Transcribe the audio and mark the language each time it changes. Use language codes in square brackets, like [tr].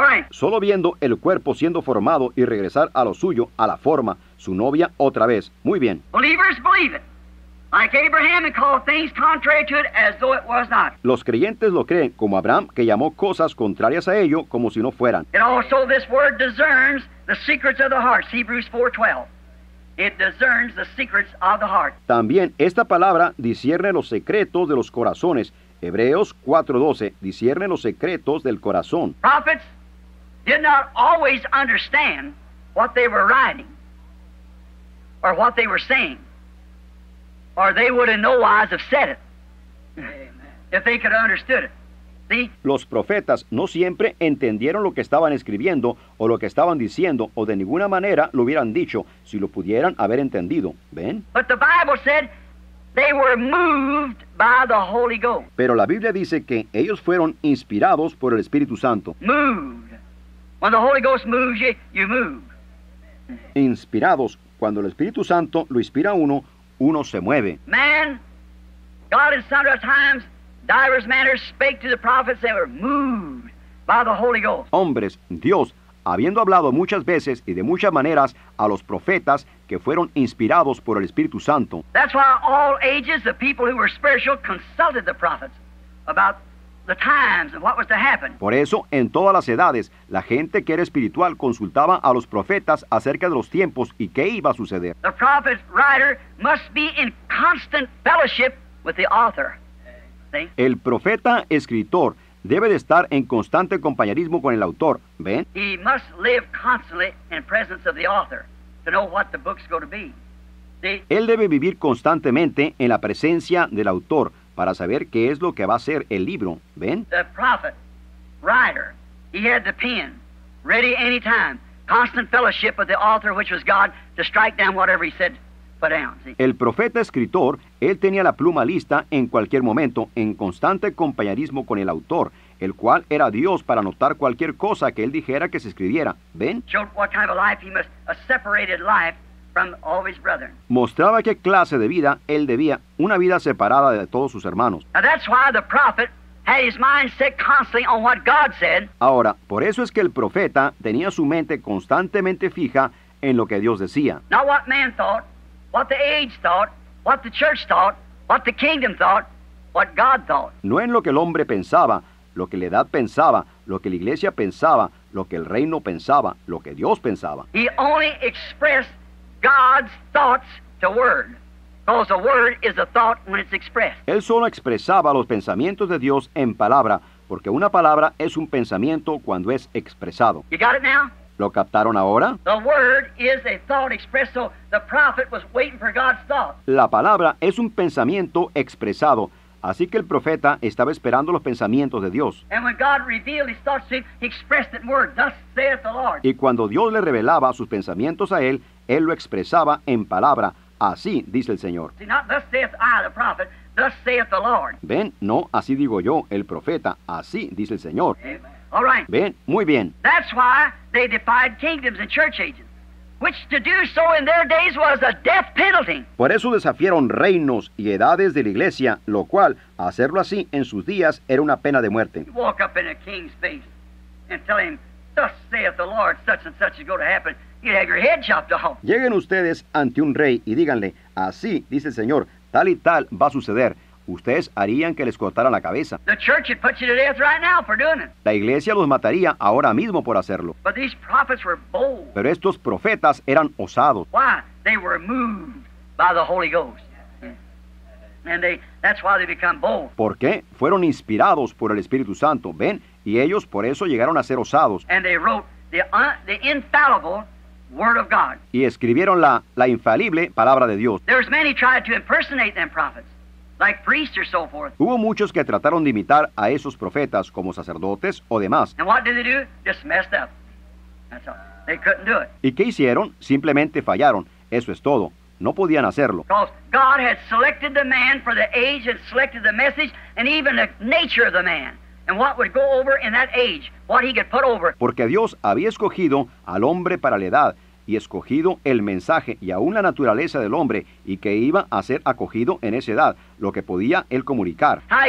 [es] Solo viendo el cuerpo siendo formado y regresar a lo suyo, a la forma, su novia otra vez. Muy bien. [en] Believers believe it. Like Abraham and call things contrary to it as though it was not. [es] Los creyentes lo creen, como Abraham, que llamó cosas contrarias a ello como si no fueran. [en] And also this word discerns the secrets of the heart, Hebrews 4:12. It discerns the secrets of the heart. [es] También esta palabra discierne los secretos de los corazones. Hebreos 4:12 discierne los secretos del corazón. [en] Prophets did not always understand what they were writing or what they were saying. Or they would in no wise have said it. Amen. If they could have understood it. See? [es] Los profetas no siempre entendieron lo que estaban escribiendo o lo que estaban diciendo o de ninguna manera lo hubieran dicho si lo pudieran haber entendido. ¿Ven? [en] But the Bible said they were moved by the Holy Ghost. [es] Pero la Biblia dice que ellos fueron inspirados por el Espíritu Santo. [en] Moved. When the Holy Ghost moves you, you move. [es] Inspirados. Cuando el Espíritu Santo lo inspira a uno, uno se mueve. [en] Man, God in sundry times, divers manners spake to the prophets that were moved by the Holy Ghost. [es] Hombres, Dios, habiendo hablado muchas veces y de muchas maneras a los profetas que fueron inspirados por el Espíritu Santo. [en] That's why all ages the people who were spiritual consulted the prophets about the times and what was to happen. [es] Por eso, en todas las edades, la gente que era espiritual consultaba a los profetas acerca de los tiempos y qué iba a suceder. [en] The prophet writer must be in constant fellowship with the author. See? [es] El profeta escritor debe de estar en constante compañerismo con el autor. ¿Ven? [en] He must live constantly in presence of the author to know what the book's going to be. See? [es] Él debe vivir constantemente en la presencia del autor para saber qué es lo que va a ser el libro. ¿Ven? [en] The prophet, writer, he had the pen, ready any time, constant fellowship with the author, which was God, to strike down whatever he said, put down. See? [es] El profeta escritor, él tenía la pluma lista en cualquier momento, en constante compañerismo con el autor, el cual era Dios para anotar cualquier cosa que él dijera que se escribiera. ¿Ven? [en] Showed what kind of life he must, a separated life, from all his brethren. [es] Mostraba qué clase de vida él debía, una vida separada de todos sus hermanos. [en] Now that's why the prophet had his mind set constantly on what God said. [es] Ahora, por eso es que el profeta tenía su mente constantemente fija en lo que Dios decía. [en] Not what man thought, what the age thought, what the church thought, what the kingdom thought, what God thought. [es] No en lo que el hombre pensaba, lo que la edad pensaba, lo que la iglesia pensaba, lo que el reino pensaba, lo que Dios pensaba. [en] He only expressed God's thoughts to word, because a word is a thought when it's expressed. [es] Él solo expresaba los pensamientos de Dios en palabra, porque una palabra es un pensamiento cuando es expresado. [en] You got it now? [es] ¿Lo captaron ahora? [en] The word is a thought expressed, so the prophet was waiting for God's thought. [es] La palabra es un pensamiento expresado, así que el profeta estaba esperando los pensamientos de Dios. [en] And when God revealed his thoughts to him, he expressed it in word, thus saith the Lord. [es] Y cuando Dios le revelaba sus pensamientos a él, él lo expresaba en palabra. Así dice el Señor. [en] See, not thus saith I, the prophet, thus saith the Lord. [es] Ven, no, así digo yo, el profeta. Así dice el Señor. [en] Amen. All right. [es] Ven, muy bien. [en] That's why they defied kingdoms and church ages, which to do so in their days was a death penalty. [es] Por eso desafiaron reinos y edades de la iglesia, lo cual, hacerlo así en sus días, era una pena de muerte. [en] You walk up in a king's face and tell him, thus saith the Lord, such and such is going to happen. You'd have your head chopped off. [es] Lleguen ustedes ante un rey y díganle, así dice el Señor, tal y tal va a suceder. Ustedes harían que les cortaran la cabeza. [en] The church would put you to death right now for doing it. [es] La iglesia los mataría ahora mismo por hacerlo. [en] But these prophets were bold. [es] Pero estos profetas eran osados. [en] Why? They were moved by the Holy Ghost. And that's why they become bold. [es] ¿Por qué? Fueron inspirados por el Espíritu Santo. ¿Ven? Y ellos por eso llegaron a ser osados. [en] And they wrote the infallible Word of God. [es] Y escribieron la infalible palabra de Dios. [en] There's many tried to impersonate them prophets, like priests or so forth. [es] Hubo muchos que trataron de imitar a esos profetas como sacerdotes o demás. [en] And what did they do? Just messed up. That's all. They couldn't do it. [es] ¿Y qué hicieron? Simplemente fallaron. Eso es todo. No podían hacerlo. [en] Because God had selected the man for the age and selected the message and even the nature of the man. And what would go over in that age, what he could put over. [es] Porque Dios había escogido al hombre para la edad, y escogido el mensaje y aún la naturaleza del hombre y que iba a ser acogido en esa edad, lo que podía él comunicar.